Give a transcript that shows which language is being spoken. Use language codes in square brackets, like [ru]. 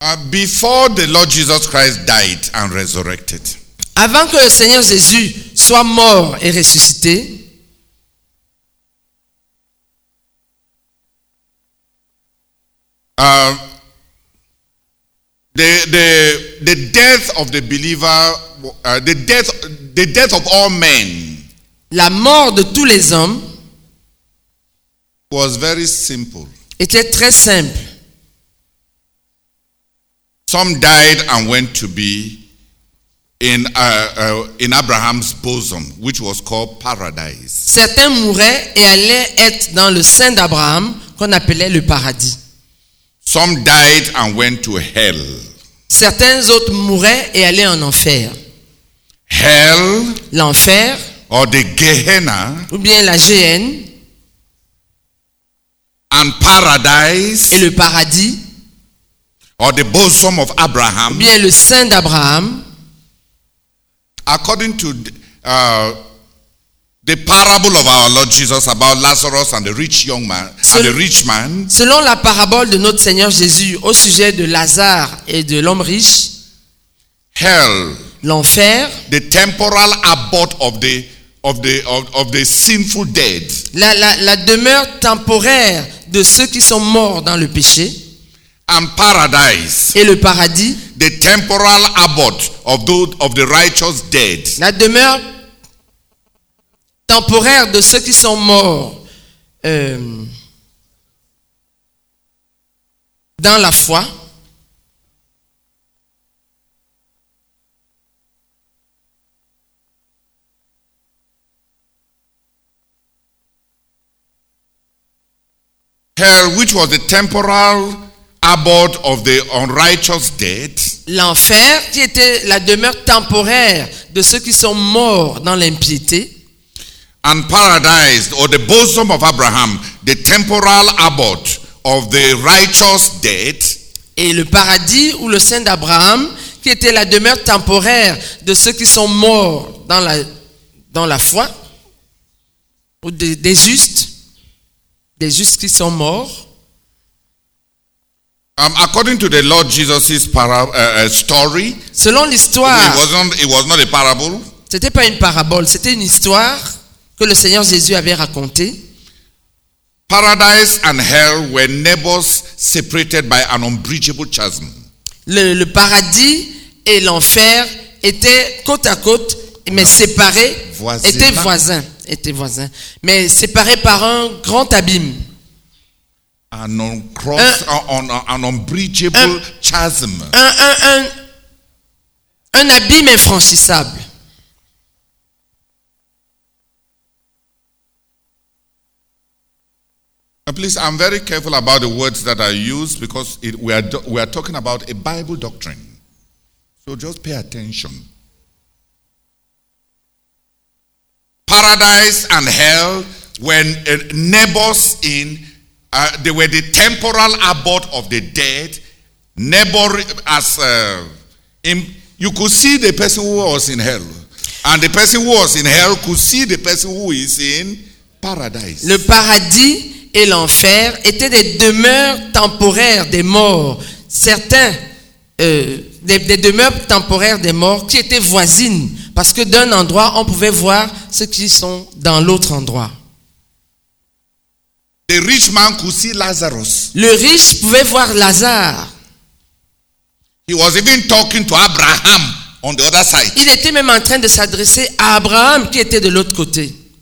[en] Before the Lord Jesus Christ died and resurrected. [fr] Avant que le Seigneur Jésus soit mort et ressuscité. [en] The death of the believer, the death of all men. [fr] La mort de tous les hommes [en] was very simple. [fr] Était très simple. [en] Some died and went to be in Abraham's bosom, which was called paradise. [fr] Certains mouraient et allaient être dans le sein d'Abraham, qu'on appelait le paradis. [en] Some died and went to hell. [fr] Certains autres mouraient et allaient en enfer. [en] Hell, [fr] l'enfer, [en] or the Gehenna, [fr] ou bien la Géhenne, [en] and paradise, [fr] et le paradis, [en] or the bosom of Abraham, [fr] ou bien le sein d'Abraham. [en] According to the parable of our Lord Jesus about Lazarus and the rich young man, and the rich man. [fr] Selon la parabole de notre Seigneur Jésus au sujet de Lazare et de l'homme riche. [en] Hell. [fr] L'enfer. [en] The temporal abode of the sinful dead. [fr] La demeure temporaire de ceux qui sont morts dans le péché. [en] And paradise. [fr] Et le paradis. [en] The temporal abode of the righteous dead. [fr] La demeure temporaire de ceux qui sont morts dans la foi. [en] Hell, which was the temporal abode of the unrighteous dead. [fr] L'enfer, qui était la demeure temporaire de ceux qui sont morts dans l'impiété. [en] And paradise, or the bosom of Abraham, the temporal abode of the righteous dead. [fr] Et le paradis ou le sein d'Abraham, qui était la demeure temporaire de ceux qui sont morts dans la foi, ou des justes qui sont morts. [en] According to the Lord Jesus's story, [fr] selon l'histoire, [en] it was not a parable. [fr] C'était pas une parabole, c'était une histoire que le Seigneur Jésus avait raconté. [en] Paradise and hell were neighbors separated by an unbridgeable chasm. [fr] Le paradis et l'enfer étaient côte à côte, mais séparés, étaient voisins, mais séparés par un grand abîme. Un abîme infranchissable. [en] Please, I'm very careful about the words that I use because we are talking about a Bible doctrine. So just pay attention. paradise and hell when neighbors in they were the temporal abode of the dead. Neighbor as in, you could see the person who was in hell, and the person who was in hell could see the person who is in paradise. [fr] Le paradis et l'enfer étaient des demeures temporaires des morts. Certains des demeures temporaires des morts qui étaient voisines, parce que d'un endroit on pouvait voir ceux qui sont dans l'autre endroit. [en] The rich man could see Lazarus. [fr] Le riche pouvait voir Lazare. [en] He was even talking to Abraham on the other side. [fr] Il était même en train de s'adresser à Abraham qui était de l'autre côté.